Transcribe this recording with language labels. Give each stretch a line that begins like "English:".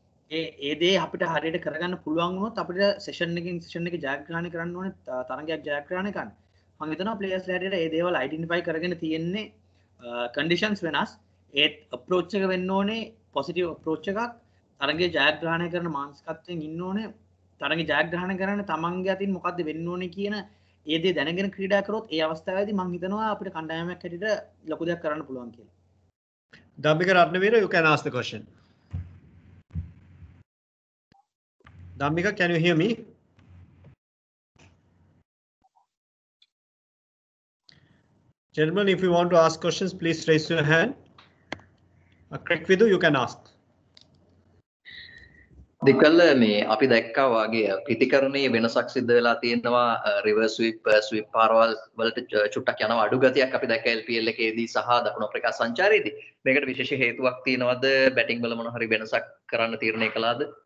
Sinhala: ඒ ඒ දේ අපිට හරියට කරගන්න පුළුවන් වුණොත් අපිට session එක ජයග්‍රහණය කරන්න ඕනේ තරගයක් ජයග්‍රහණය කරන්න මං හිතනවා players ලා හැටියට ඒ දේවල් identify කරගෙන තියෙන්නේ conditions වෙනස් ඒත් approach එක වෙන්න ඕනේ positive approach එකක් තරගයේ ජයග්‍රහණය කරන මානසිකත්වයෙන් ඉන්න ඕනේ තරගයේ ජයග්‍රහණය කරන්න තමන්ගේ අතින් මොකද්ද වෙන්න ඕනේ කියන ඒ දේ දැනගෙන ක්‍රීඩා කරොත් ඒ අවස්ථාවේදී මං හිතනවා අපිට කණ්ඩායමක් හැටියට ලොකු දෙයක් කරන්න පුළුවන් කියලා
English: Dhammika Ratnaweera you can ask the question Dhammika can you hear me Gentlemen, if you want to ask questions, please raise your hand. Craig Vidhu, you can ask.
Sinhala: දෙකල්ල මේ අපි දැක්කා වාගේ ප්‍රතිකරණයේ වෙනසක් සිද්ධ වෙලා තියෙනවා රිවර්ස් ස්විප් ස්විප් පාරවල් වලට චුට්ටක් යනවා අඩු ගතියක් අපි දැක්කා LPL එකේදී සහ දකුණු අප්‍රිකා සංචාරයේදී මේකට විශේෂ හේතුවක් තියෙනවද බැටින් වල මොන හරි වෙනසක් කරන්න තීරණය කළාද